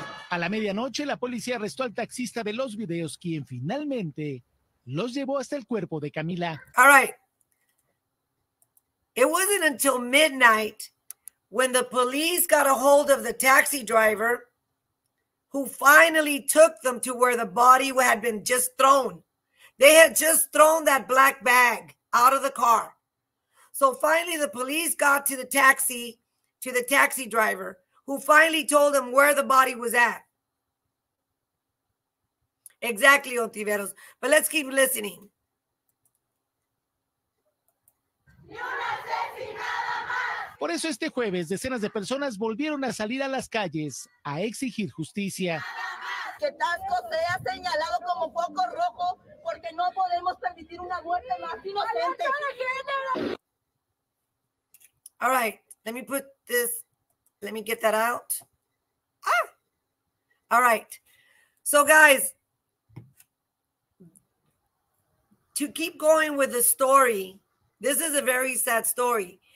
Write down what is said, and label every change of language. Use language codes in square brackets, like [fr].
[es] A la medianoche, la policía arrestó al taxista de los videos, quien finalmente los llevó hasta el cuerpo de Camila. [en] All right. It wasn't until midnight when the police got a hold of the taxi driver who finally took them to where the body had been just thrown. They had just thrown that black bag out of the car. So finally the police got to the taxi driver who finally told them where the body was at. Exactly, Ontiveros. But let's keep listening. [es] Por eso este jueves decenas de personas volvieron a salir a las calles a exigir justicia. Que Taxco sea señalado como foco rojo porque no podemos permitir una muerte más inocente. [en] All right, let me put this, let me get that out. All right, so guys, to keep going with the story, this is a very sad story.